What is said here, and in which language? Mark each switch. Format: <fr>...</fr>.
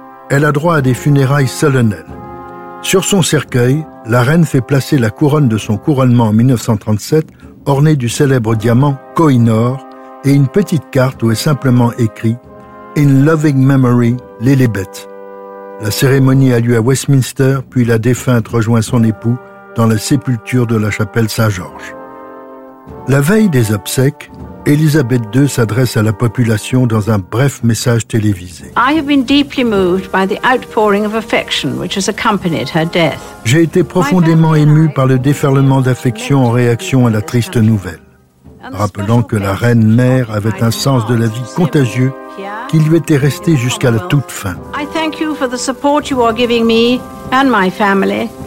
<fr>Elle a droit à des funérailles solennelles. Sur son cercueil, la reine fait placer la couronne de son couronnement en 1937, ornée du célèbre diamant Koh-i-Noor, et une petite carte où est simplement écrit «</fr> <en>In loving memory, Lilibet ».</en> <fr>La cérémonie a lieu à Westminster, puis la défunte rejoint son époux dans la sépulture de la chapelle Saint-Georges. La veille des obsèques, Elizabeth II s'adresse à la population dans un bref message télévisé.</fr> <en>I have been deeply moved by the outpouring of affection which has accompanied her death.</en> <fr>J'ai été profondément ému par le déferlement d'affection en réaction à la triste nouvelle, rappelant que la reine mère avait un sens de la vie contagieux qui lui était resté jusqu'à la toute fin.</fr> <en>I thank you for the support you are giving me and my family.</en>